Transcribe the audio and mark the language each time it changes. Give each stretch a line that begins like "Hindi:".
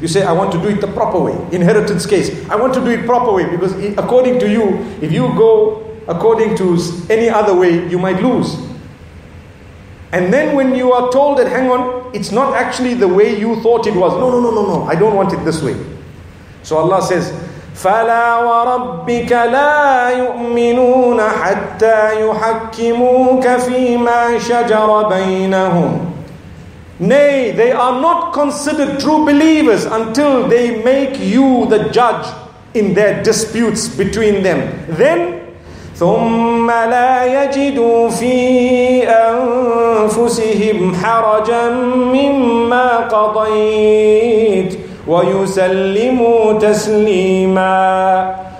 English: You say, I want to do it the proper way. Inheritance case. I want to do it proper way. Because according to you, if you go according to any other way, you might lose. And then when you are told that, hang on, it's not actually the way you thought it was. No. I don't want it this way. So Allah says,
Arabic: فَلَا وَرَبِّكَ لَا يُؤْمِنُونَ حَتَّى يُحَكِّمُوكَ فِي مَا شَجَرَ بَيْنَهُمْ.
English: Nay, they are not considered true believers until they make you the judge in their disputes between them. Then,
Arabic: ثُمَّ لَا يَجِدُوا فِي أَنفُسِهِمْ حَرَجًا مِّمَّا قَضَيْتُ وَيُسَلِّمُوا تَسْلِيمًا.